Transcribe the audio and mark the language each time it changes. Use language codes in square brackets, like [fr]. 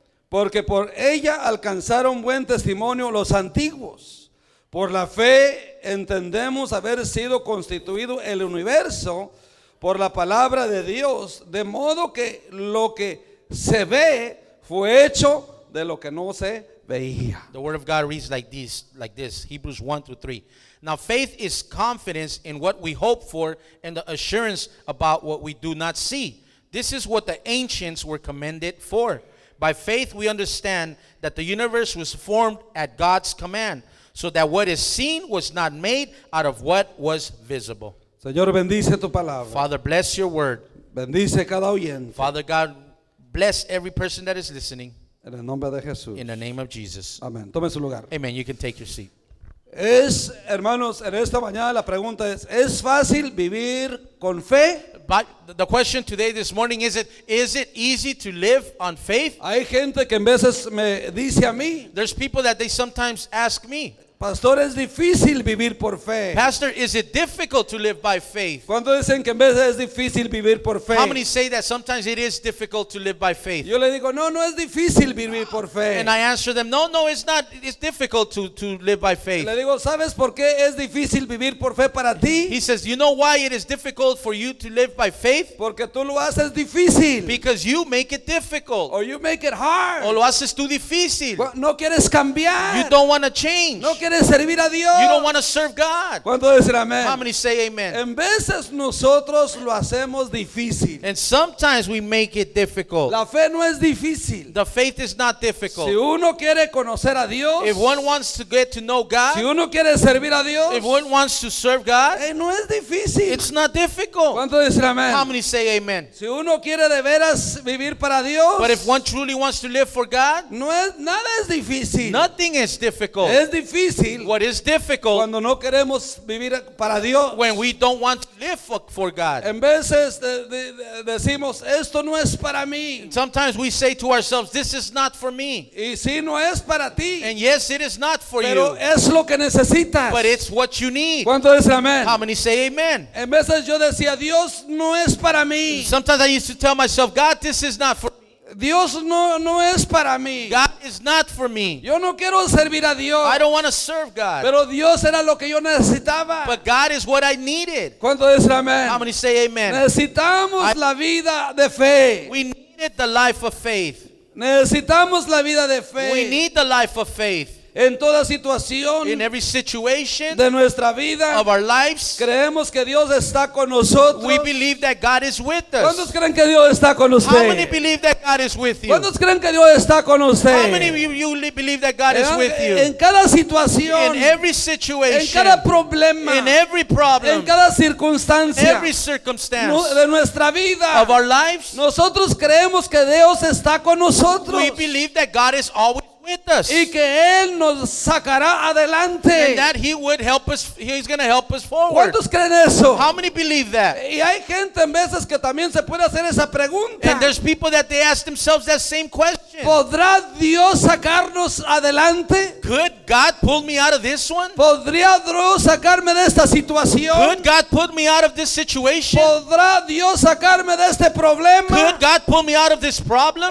[es] Porque por ella alcanzaron buen testimonio los antiguos. Por la fe entendemos haber sido constituido el universo por la palabra de Dios, de modo que lo que se ve fue hecho de lo que no se veía. [en] The word of God reads like this, Hebrews 1 through 3. Now faith is confidence in what we hope for and the assurance about what we do not see. This is what the ancients were commended for. By faith we understand that the universe was formed at God's command, so that what is seen was not made out of what was visible. [es] Señor, bendice tu palabra. [en] Father, bless your word. [es] Bendice cada oyente. [en] Father God, bless every person that is listening. [es] En el nombre de Jesús. [en] In the name of Jesus. [es] Amen. Tome su lugar. [en] Amen. You can take your seat. [es] Es, hermanos, en esta mañana la pregunta es fácil vivir con fe? [en] But the question today, this morning, is it easy to live on faith? [es] Hay gente que en veces me dice a mí. [en] There's people that they sometimes ask me. [es] Pastor, es difícil vivir por fe. [en] Pastor, is it difficult to live by faith? [es] ¿Cuándo dicen que en veces es difícil vivir por fe? [en] How many say that sometimes it is difficult to live by faith? [es] Yo le digo, no es difícil vivir por fe. [en] And I answer them, no, it's not. It's difficult to live by faith. [es] Le digo, ¿sabes por qué es difícil vivir por fe para ti? [en] He says, you know why it is difficult for you to live by faith? [es] Porque tú lo haces difícil. [en] Because you make it difficult. Or you make it hard. [es] O lo haces tú difícil. No quieres cambiar. [en] You don't want to change. [es] No quieres servir a Dios. [en] You don't want to serve God. [es] ¿Cuánto dicen amén? [en] How many say amen? [es] En veces nosotros lo hacemos difícil. [en] And sometimes we make it difficult. [es] La fe no es difícil. [en] The faith is not difficult. [es] Si uno quiere conocer a Dios. [en] If one wants to get to know God. [es] Si uno quiere servir a Dios. [en] If one wants to serve God. [es] No es difícil. [en] It's not difficult. [es] ¿Cuánto dicen amén? [en] How many say amen? [es] Si uno quiere de veras vivir para Dios. [en] But if one truly wants to live for God. [es] Nada es difícil. [en] Nothing is difficult. [es] Es difícil. [en] What is difficult [es] cuando no queremos vivir para Dios. [en] When we don't want to live for God. [es] En veces decimos, esto no es para mí. [en] Sometimes we say to ourselves, this is not for me. [es] Y sí, no es para ti. [en] And yes, it is not for [es] pero [en] you. [es] Es lo que necesitas. [en] But it's what you need. [es] ¿Cuánto dice amén? [en] How many say amen? [es] En veces yo decía, Dios no es para mí. [en] Sometimes I used to tell myself, God, this is not for me. [es] Dios no es para mí. [en] God is not for me. [es] Yo no quiero servir a Dios. [en] I don't want to serve God. [es] Pero Dios era lo que yo necesitaba. [en] But God is what I needed. [es] ¿Cuánto dice amén? [en] How many say amen? [es] Necesitamos la vida de fe. [en] We need needed the life of faith. [es] Necesitamos la vida de fe. [en] We need the life of faith. [es] En toda situación, [en] in every situation [es] de nuestra vida, [en] of our lives, [es] creemos que Dios está con nosotros. [en] We believe that God is with us. [es] ¿Cuántos creen que Dios está con usted? [en] How many believe that God is with you? [es] ¿Cuántos creen que Dios está con usted? [en] How many of you believe that God is with you? [es] En cada situación, [en] in every situation, [es] en cada problema, [en] in every problem, [es] en cada circunstancia, [en] every circumstance [es] de nuestra vida, [en] of our lives, [es] nosotros creemos que Dios está con nosotros. [en] We believe that God is always with us. [es] Y que él nos sacará adelante. [en] And that he would help us, he's going to help us forward. [es] ¿Cuántos creen eso? [en] How many believe that? [es] Y hay gente en veces que también se puede hacer esa pregunta. [en] And there's people that they ask themselves that same question. [es] ¿Podrá Dios sacarnos adelante? [en] Could God pull me out of this one? [es] ¿Podría Dios sacarme de esta situación? [en] Could God put me out of this situation? [es] ¿Podrá Dios sacarme de este problema? [en] Could God pull me out of this problem?